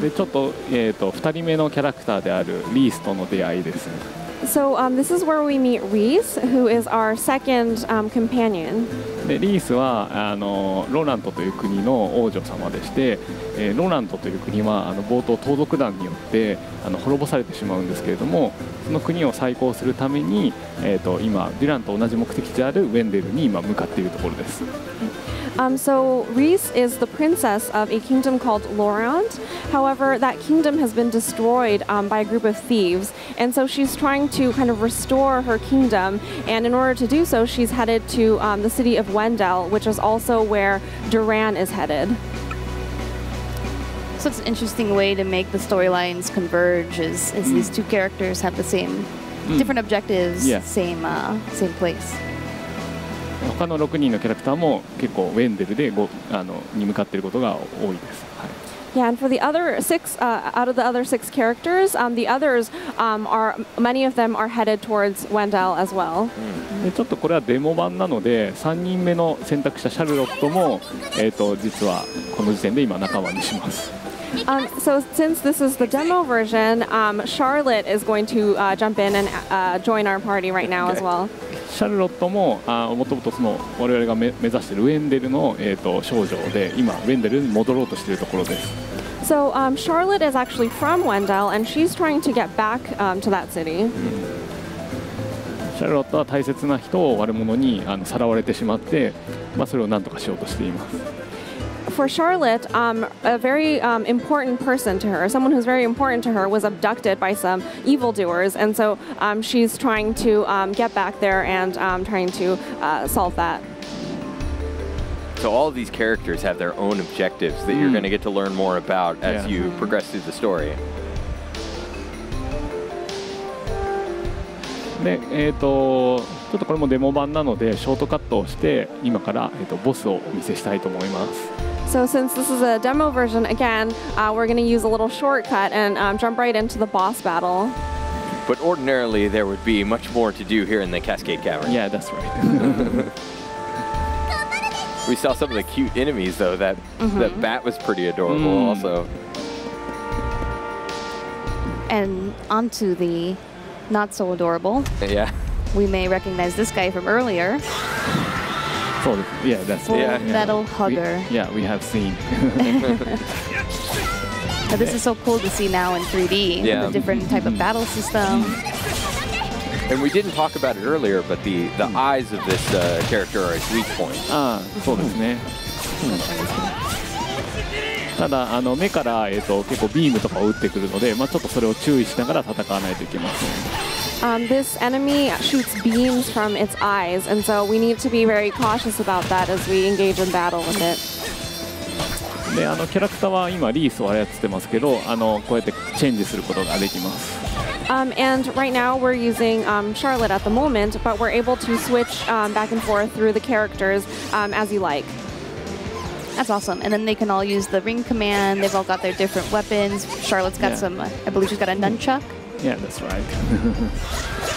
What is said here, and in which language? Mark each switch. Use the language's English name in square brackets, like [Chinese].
[Japanese] で、ちょっと、2人目のキャラクターであるリースとの出会いです。 [English] So this is where we meet Reese, who is our second companion. [Japanese] で、リースはロラントという国の王女様でして、ロラントという国は冒頭盗賊団によって滅ぼされてしまうんですけれども、その国を再興するために、今デュランと同じ目的地であるウェンデルに今向かっているところです。 [English] So Reese is the princess of a kingdom called Laurent. However, that kingdom has been destroyed by a group of thieves, and so she's trying to kind of restore her kingdom. And in order to do so, she's headed to the city of Wendell, which is also where Duran is headed. So it's an interesting way to make the storylines converge, as these two characters have the same different objectives, same place. [Japanese] 他の6人のキャラクターも結構ウェンデルでごあのに向かっていることが多いです、はい、 [English] Yeah, and for the other six, out of the other six characters, the others, are, many of them are headed towards Wendell as well. [Japanese] ちょっとこれはデモ版なので、3人目の選択したシャルロットも、実はこの時点で今仲間にします。 [English] So since this is the demo version, Charlotte is going to jump in and join our party right now as well. [Japanese] シャルロットも、もともとその我々が目指しているウェンデルの、少女で、今ウェンデルに戻ろうとしているところです。 [English] So Charlotte is actually from Wendell and she's trying to get back to that city. [Japanese] シャルロットは大切な人を悪者にさらわれてしまって、まあ、それを何とかしようとしています。 [English] For Charlotte, a very important person to her, someone who's very important to her, was abducted by some evildoers, and so she's trying to get back there and trying to solve that. So all of these characters have their own objectives that you're going to get to learn more about as you progress through the story. [Japanese] で、ちょっとこれもデモ版なので、ショートカットをして、今から、ボスをお見せしたいと思います。 [English] So since this is a demo version again, we're going to use a little shortcut and jump right into the boss battle. But ordinarily there would be much more to do here in the Cascade Cavern. Yeah, that's right. We saw some of the cute enemies though, that, that bat was pretty adorable also. And onto the not so adorable. Yeah. We may recognize this guy from earlier. Yeah, that's Full Metal Hugger. Yeah, we have seen. But this is so cool to see now in 3D, the different type of battle system. And we didn't talk about it earlier, but the eyes of this character are a weak point. [Japanese] そうですね。ただ、目から、結構ビームとかを打ってくるので、まあ、ちょっとそれを注意しながら戦わないといけません。 [English] This enemy shoots beams from its eyes, and so we need to be very cautious about that as we engage in battle with it. [Japanese] で、キャラクターは今リースを操ってますけど、こうやってチェンジすることができます。 [English] And right now we're using Charlotte at the moment, but we're able to switch back and forth through the characters as you like. That's awesome. And then they can all use the ring command. They've all got their different weapons. Charlotte's got some, I believe she's got a nunchuck. Yeah, that's right.